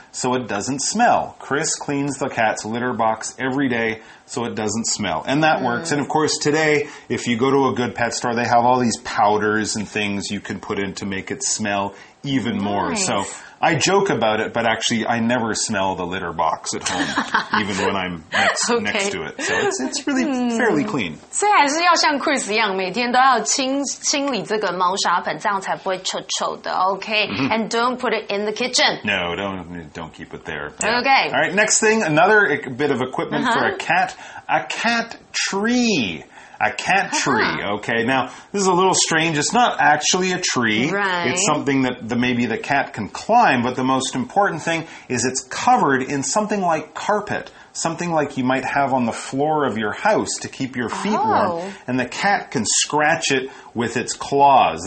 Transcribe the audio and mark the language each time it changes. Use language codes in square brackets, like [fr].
[en] so it doesn't smell. Chris cleans the cat's litter box every day so it doesn't smell. And that works. And of course, today, if you go to a good pet store, they have all these powders and things you can put in to make it smell even more. Nice. So I joke about it, but actually I never smell the litter box at home, even when I'm next to it. So it's really fairly clean. [zh] 所以还是要像 Chris 一样，每天都要清理这个猫砂盆，这样才不会臭臭的。 [en] Okay, and don't put it in the kitchen. No, don't keep it there. Yeah. Okay. All right, next thing, another bit of equipment for a cat tree. A cat tree, okay. Now, this is a little strange. It's not actually a tree. Right. It's something that maybe the cat can climb, but the most important thing is it's covered in something like carpet, something like you might have on the floor of your house to keep your feet warm, and the cat can scratch it with its claws.